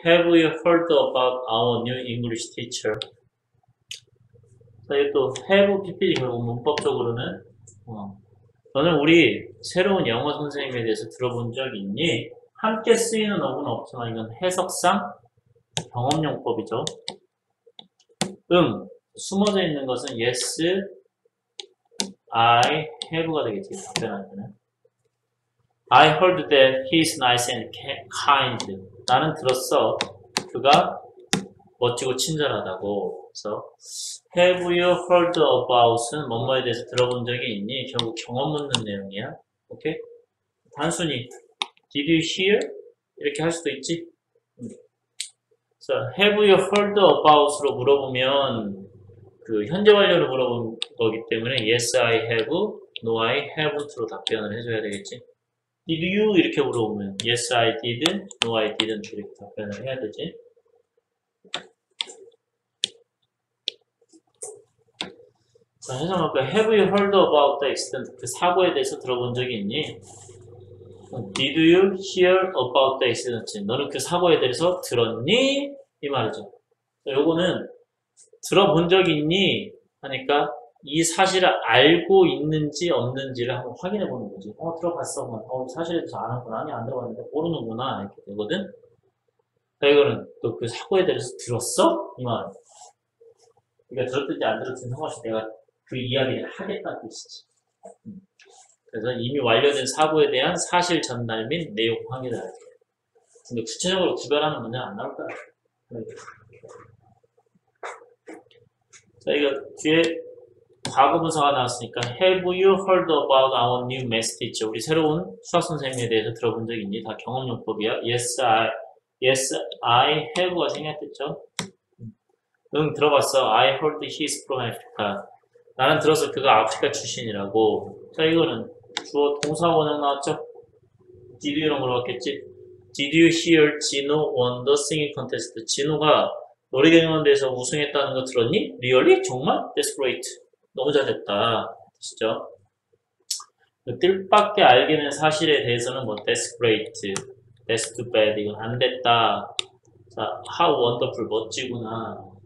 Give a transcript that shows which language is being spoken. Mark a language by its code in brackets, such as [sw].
[en] Have you heard about our new English teacher? [ko] 자, 이것도 have PP지, 결국 문법적으로는. 너는 우리 새로운 영어 선생님에 대해서 들어본 적 있니? 함께 쓰이는 어구는 없지만 이건 해석상 경험용법이죠. 응. 숨어져 있는 것은 [en] yes, I have [ko] 가 되겠지. 답변한테는. [en] I heard that he is nice and kind. [ko] 나는 들었어. 그가 멋지고 친절하다고. 그래서 [en] Have you heard about [ko] 은 뭐뭐에 대해서 들어본 적이 있니? 결국 경험 묻는 내용이야. 오케이? [en] 단순히 Did you hear? [ko] 이렇게 할 수도 있지. [en] So, Have you heard about [ko] 으로 물어보면 그 현재 완료로 물어본 거기 때문에 [en] Yes, I have. No, I haven't [ko] 로 답변을 해줘야 되겠지. [en] Did you? [ko] 이렇게 물어보면 [en] Yes, I did. No, I didn't. [ko] 이렇게 답변을 해야 되지. 자, 해석 볼까요? [en] Have you heard about the accident? [ko] 그 사고에 대해서 들어본 적이 있니? [en] Did you hear about the accident? [ko] 너는 그 사고에 대해서 들었니? 이 말이죠. 요거는 들어본 적 있니? 하니까 이 사실을 알고 있는지 없는지를 한번 확인해 보는 거지. 들어봤어. 사실에 대해서 아는구나. 아니, 안 들어봤는데 모르는구나. 이렇게 되거든. 이거는 또그 사고에 대해서 들었어? 이 말. 그러니까 들었든지 안 들었든지 상관없이 내가 그 이야기를 하겠다는 뜻이지. 그래서 이미 완료된 사고에 대한 사실 전달 및 내용 확인을 할게. 근데 구체적으로 구별하는 문제는 안 나올 거야. 자, 이거 뒤에 과거 분사가 나왔으니까 [en] Have you heard about our new math teacher? [ko] 우리 새로운 수학 선생님에 대해서 들어본 적 있니? 다 경험용법이야. [en] Yes, I have가 [ko] 생략됐죠. 응, 들어봤어. [en] I heard he's from Africa. [ko] 나는 들어서 그가 아프리카 출신이라고. 자, 이거는 주어 동사 원형 나왔죠? [en] Did you [ko] 이런 걸 봤겠지? [en] Did you hear Gino won the singing contest? [ko] 진호가 노래경연대회에서 우승했다는 거 들었니? [en] Really? [ko] 정말? [en] That's great. [ko] 너무 잘됐다. 진짜. 뜻밖의 알게 된 사실에 대해서는 뭐, That's great. [en] That's too bad. [ko] 이건 안 됐다. 자, [en] How wonderful. [ko] 멋지구나.